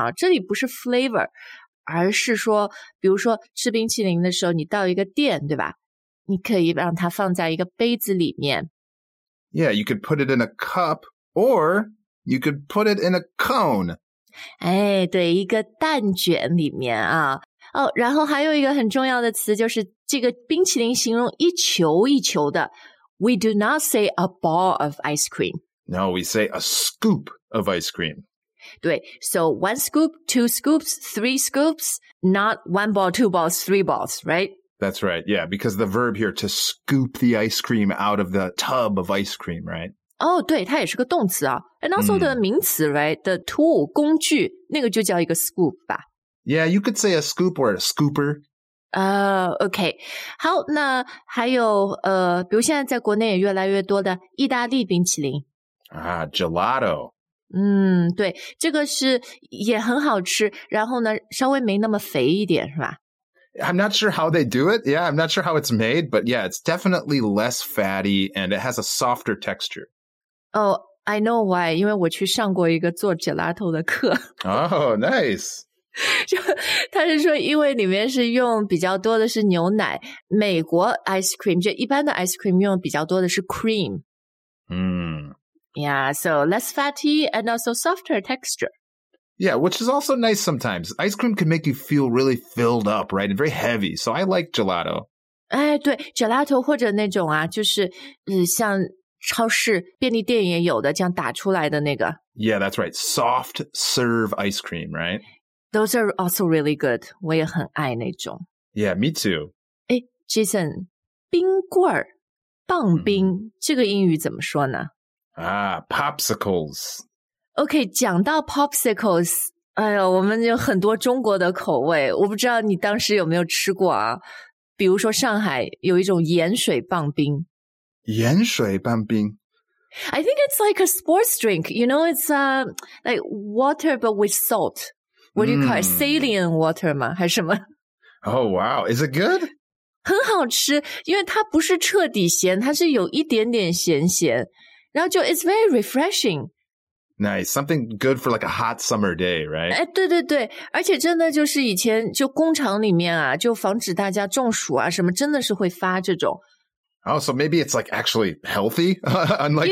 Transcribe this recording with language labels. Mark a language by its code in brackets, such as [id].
[zh] 这里不是 flavor, 而是说，比如说吃冰淇淋的时候，你到一个店，对吧？你可以让它放在一个杯子里面。 [en] Yeah, you could put it in a cup, or you could put it in a cone. [zh] 哎，对，一个蛋卷里面啊。哦，然后还有一个很重要的词，就是这个冰淇淋形容一球一球的。 [en] We do not say a ball of ice cream. No, we say a scoop of ice cream. [zh] 对， [en] so one scoop, two scoops, three scoops, not one ball, two balls, three balls, right? That's right, yeah, because the verb here, to scoop the ice cream out of the tub of ice cream, right? Oh, [zh] 对，它也是个动词啊。 [en] And also the [zh] 名词, [en] right? The tool, [zh] 工具,那个就叫一个 scoop 吧。 [en] Yeah, you could say a scoop or a scooper. Okay. [zh] 好,那还有,比如现在在国内也越来越多的意大利冰淇淋。 [en] Gelato. [zh] 对,这个是也很好吃,然后呢,稍微没那么肥一点,是吧? [en] I'm not sure how they do it. Yeah, I'm not sure how it's made, but yeah, it's definitely less fatty and it has a softer texture. Oh, I know why. [zh] 因为我去上过一个做 gelato 的课。 [en] Oh, nice. [zh] 就他是说因为里面是用比较多的是牛奶，美国 ice cream, 就一般的 ice cream 用比较多的是 cream. [en] Yeah, so less fatty and also softer texture. Yeah, which is also nice sometimes. Ice cream can make you feel really filled up, right? And very heavy. So I like gelato. [zh] 哎，对 ,gelato 或者那种啊，就是像超市便利店也有的，这样打出来的那个。 [en] Yeah, that's right. Soft serve ice cream, right? Those are also really good. [zh] 我也很爱那种。 [en] Yeah, me too. [zh] 哎，Jason, 冰棍儿棒冰、mm-hmm. 这个英语怎么说呢？ [en] Popsicles. [zh] OK, 讲到 popsicles, 哎呦，我们有很多中国的口味，我不知道你当时有没有吃过啊。比如说上海有一种盐水棒冰。盐水棒冰。 [en] I think it's like a sports drink, you know, it's like water but with salt. What do you call it? Saline water [zh] 吗？还是什么？ [en] Oh wow, is it good? [zh] 很好吃，因为它不是彻底咸，它是有一点点咸咸，然后就 [en] it's very refreshing. Nice, something good for like a hot summer day, right? [zh] 哎，对对对，而且真的就是以前就工厂里面啊，就防止大家中暑啊什么，真的是会发这种。 [en] Oh, so maybe it's like actually healthy, unlike